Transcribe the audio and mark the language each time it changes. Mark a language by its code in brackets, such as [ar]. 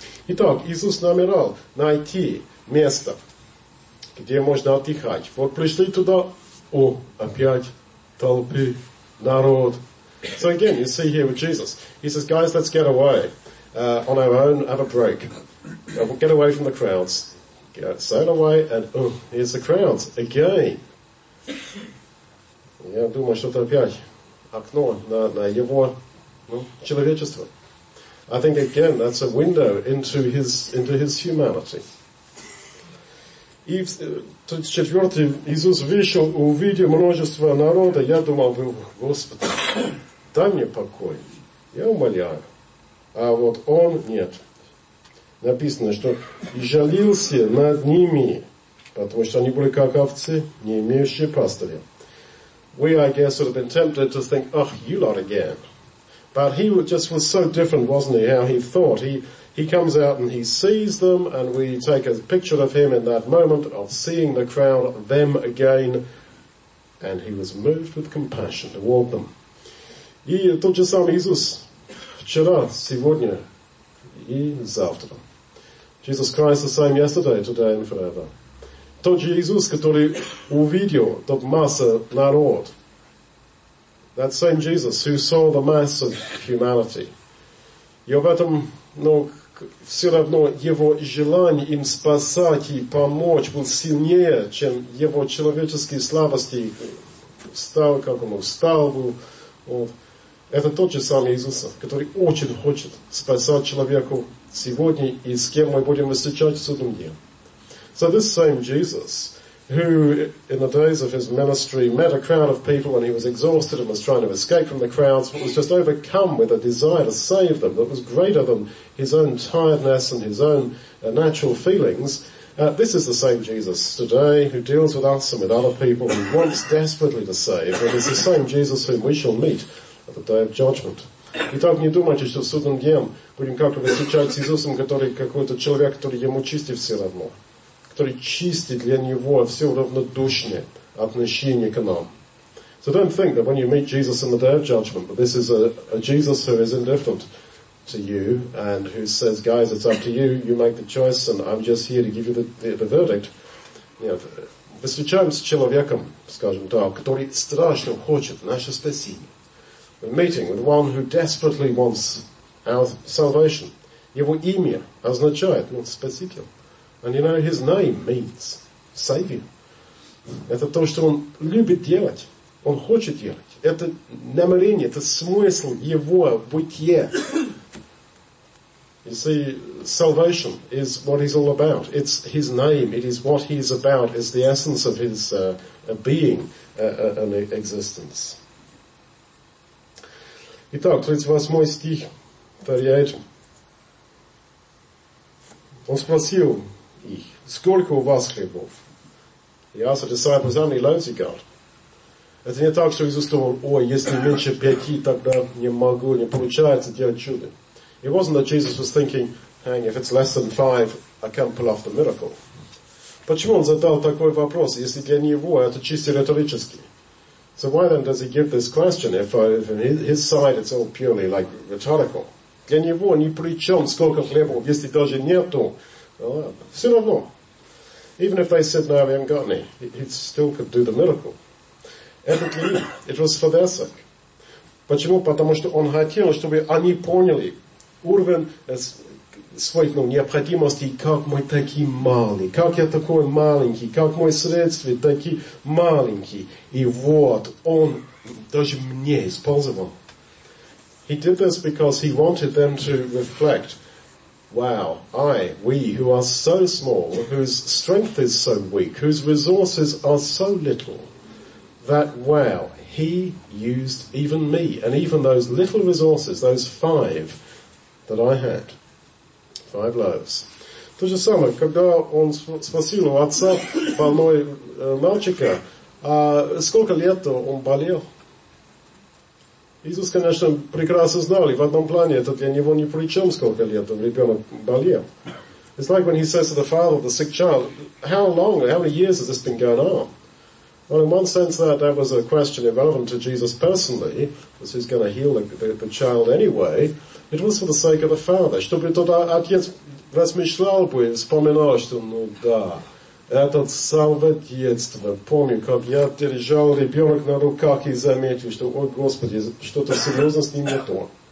[ru] Итак, Иисус намерал найти место, где можно отдыхать. Вот пришли туда, о, опять толпы, народ. [en] So again, you see here with Jesus. He says, guys, let's get away on our own, have a break. Get away from the crowds. Sail away, and here's the crowds again. [ru] Я думаю, что это опять окно на его человечество. [en] I think again, that's a window into his humanity. [ru] И в 34-й Иисус вышел, увидел множество народа. Я думал, Господи, дай мне покой. Я умоляю. А вот он нет. Написано, что и жалился над ними, потому что они были как овцы, не имеющие пастыря. [en] We, I guess, would have been tempted to think, oh, you lot again. But he just was so different, wasn't he, how he thought. He comes out and he sees them, and we take a picture of him in that moment of seeing the crowd, them again, and he was moved with compassion toward them. [ru] И тот же самый Иисус вчера, сегодня и завтра. [en] Jesus Christ the same yesterday, today and forever. [ru] тот же Иисус, который увидел тот масса народ. [en] That same Jesus who saw the mass of humanity. [ru] И об этом, ну, все равно его желание им спасать и помочь был сильнее, чем его человеческие слабости. Стал, как он устал был. Вот. Это тот же самый Иисус, который очень хочет спасать человеку сегодня и с кем мы будем встречать в судном дне. [en] So this same Jesus, who in the days of his ministry met a crowd of people and he was exhausted and was trying to escape from the crowds, but was just overcome with a desire to save them that was greater than his own tiredness and his own natural feelings. This is the same Jesus today who deals with us and with other people who wants desperately to save, and it's the same Jesus whom we shall meet at the Day of Judgment. [ru] Итак, не думайте, что в судном дне будем как-то встречать с Иисусом, который какой-то человек, который ему чистит все равно, который чистит для него все равнодушное отношение к нам. [en] So don't think that when you meet Jesus on the Day of Judgment, but this is a Jesus who is indifferent to you and who says, guys, it's up to you, you make the choice and I'm just here to give you the verdict. [ru] Встречаем с человеком, скажем так, который страшно хочет наше спасение. [en] We're meeting with one who desperately wants our salvation. [ru] Его имя означает, ну, спаситель. [en] And you know, his name means savior. [ru] Это то, что он любит делать. Он хочет делать. Это намерение, это смысл его бытия. [en] You see, salvation is what he's all about. It's his name. It is what he's about. It's the essence of his being and existence. [ru] Итак, 38 стих, 38. Он спросил их, сколько у вас хлебов? [en] He asked the disciples, how many loaves you got? [ru] Это не так, что Иисус думал, ой, если меньше пяти, тогда не могу, не получается делать чудо. [en] It wasn't that Jesus was thinking, hang, if it's less than five, I can't pull off the miracle. [ru] Почему он задал такой вопрос, если для него это чисто риторически? [en] So why then does he give this question if on his side it's all purely like rhetorical? [ru] Для него ни при чем сколько хлеба, если даже нету. [en] Well, [ru] все равно. [en] Even if they said, no, we haven't got any, he still could do the miracle. Evidently, it was for their sake. [ru] Почему? Потому что он хотел, чтобы они поняли уровень своих, ну, необходимостей, как мы такие малые, как я такой маленький, как мои средства такие маленькие. И вот, он даже мне использовал. [en] He did this because he wanted them to reflect, wow, we who are so small, whose strength is so weak, whose resources are so little, that wow, he used even me, and even those little resources, those five, that I had. Five loaves. [ru] То же самое, когда он спросил у отца больной мальчика, сколько лет он болел? Иисус, конечно, прекрасно знал, и в одном плане это для него ни при чем, сколько лет ребенок болел. [en] It's like when he says to the father of the sick child, how many years has this been going on? Well, in one sense, that was a question irrelevant to Jesus personally, because he's going to heal the child anyway. It was for the sake of the Father. [ru] Чтобы тот отец размышлял бы, вспоминал, что, ну да, этот самое детство. Помню, как я держал ребенок на руках и заметил, что, ой, Господи, что-то серьезно с ним не то.